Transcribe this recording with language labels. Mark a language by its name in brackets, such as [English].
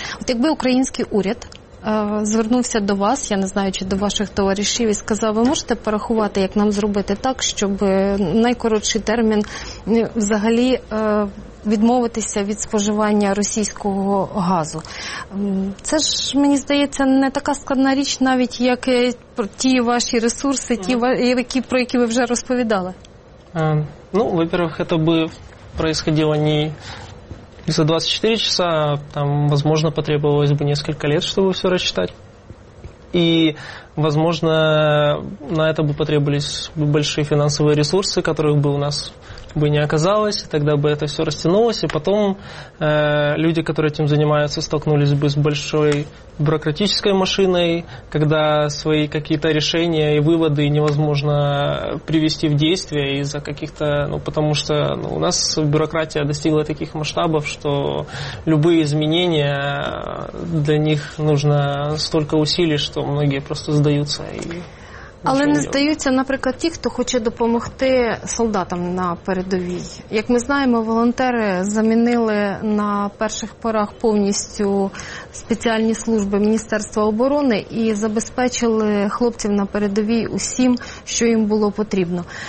[Ukrainian] От якби український уряд звернувся до вас, я не знаю, чи до ваших товаришів, і сказав, ви можете порахувати, як нам зробити так, щоб найкоротший термін взагалі відмовитися від споживання російського газу. Це ж, мені здається, не така складна річ, навіть як ті ваші ресурси, про які ви вже розповідали. [Russian] Ну, во-первых, [Ukrainian] це би відбувало [Russian] не за 24 часа, там, возможно, потребовалось бы несколько лет, чтобы все рассчитать. И, возможно, на это бы потребовались бы большие финансовые ресурсы, которых бы у нас бы не оказалось, и тогда бы это все растянулось. И потом люди, которые этим занимаются, столкнулись бы с большой бюрократической машиной, когда свои какие-то решения и выводы невозможно привести в действие из-за каких-то... Ну, потому что, ну, у нас бюрократия достигла таких масштабов, что любые изменения, для них нужно столько усилий, что многие просто сдаются и... [Ukrainian] Але не здаються, наприклад, ті, хто хоче допомогти солдатам на передовій. Як ми знаємо, волонтери замінили на перших порах повністю спеціальні служби Міністерства оборони і забезпечили хлопців на передовій усім, що їм було потрібно.